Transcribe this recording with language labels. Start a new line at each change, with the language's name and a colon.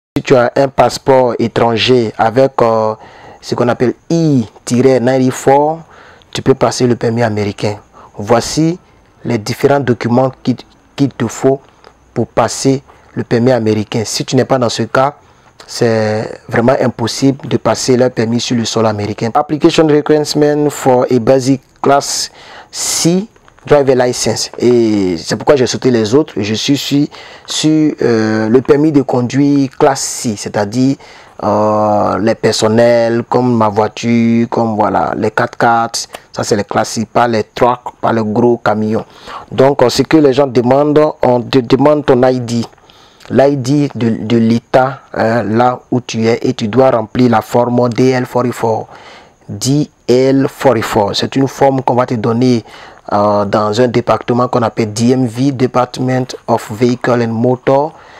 French: Si tu as un passeport étranger avec ce qu'on appelle I-94, tu peux passer le permis américain. Voici les différents documents qu'il te faut pour passer le permis américain. Si tu n'es pas dans ce cas, c'est vraiment impossible de passer le permis sur le sol américain.
English: Application requirement for a basic class C driver license.
French: Et c'est pourquoi j'ai sauté les autres. Je suis sur le permis de conduire classe C, c'est-à-dire les personnels comme ma voiture, comme voilà les 4x4, ça c'est les classiques, pas les trucks, pas le gros camion. Donc ce que les gens demandent, on te demande ton ID, l'ID de l'état là où tu es, et tu dois remplir la forme DL44, c'est une forme qu'on va te donner dans un département qu'on appelle DMV, Department of Vehicle and Motor.